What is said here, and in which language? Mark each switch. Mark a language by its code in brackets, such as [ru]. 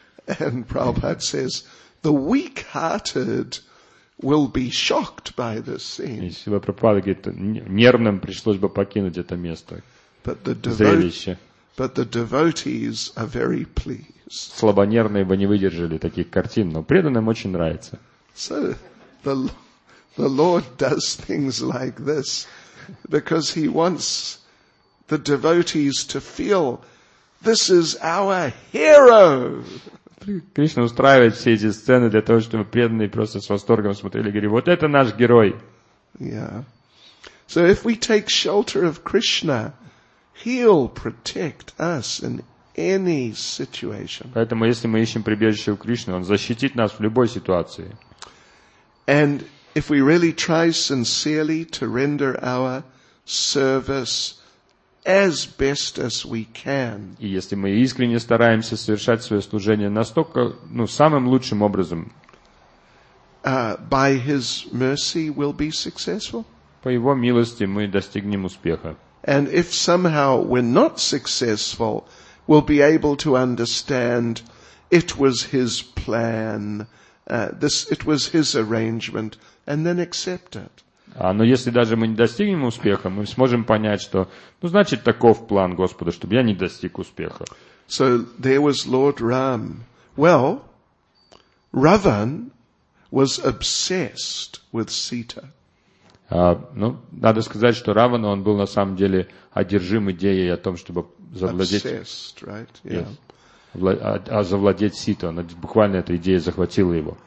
[en] And Prabhupada says, the weak-hearted will be shocked by this scene. [ru] Если бы Прабхупада говорит, нервным пришлось бы покинуть это место, зрелище. [en] But the devotees are very pleased. [ru] Слабонервные бы не выдержали таких картин, но преданным очень нравится. [en] So the Lord does things like this because he wants the devotees to feel this is our hero. [ru] Кришна устраивает все эти сцены для того, чтобы преданные просто с восторгом смотрели и говорили, вот это наш герой. [en] Yeah. So if we take shelter of Krishna, he'll protect us in any situation. [ru] Поэтому если мы ищем прибежище у Кришны, он защитит нас в любой ситуации. [en] And if we really try sincerely to render our service as best as we can. [ru] И если мы искренне стараемся совершать свое служение настолько, ну, самым лучшим образом, [en] by his mercy we'll be successful. [ru] По его милости мы достигнем успеха. [en] And if somehow we're not successful, we'll be able to understand it was his plan, it was his arrangement, and then accept it. [ru] Но если даже мы не достигнем успеха, мы сможем понять, что, ну, значит, таков план Господа, чтобы я не достиг успеха. [en] So there was Lord Ram. Well, Ravan was obsessed with Sita. [ru] Ну, надо сказать, что Раван, он был на самом деле одержим идеей о том, чтобы завладеть... [en] Obsessed, right? Yeah. [ru] Завладеть Сита. Буквально эта идея захватила его.